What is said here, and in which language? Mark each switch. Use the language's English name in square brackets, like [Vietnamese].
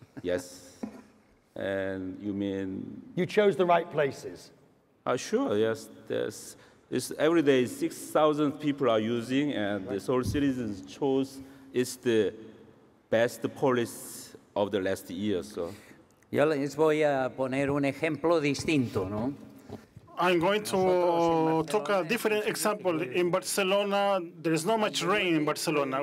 [English] Yes. And you mean? You chose the right places. Sure, yes. It's every day 6,000 people are using, and right. The Seoul citizens chose it's the best police of the last year, so. [Spanish] Yo les voy a poner un ejemplo distinto, ¿no? [English] I'm going to talk a different example. In Barcelona, there is not much rain in Barcelona.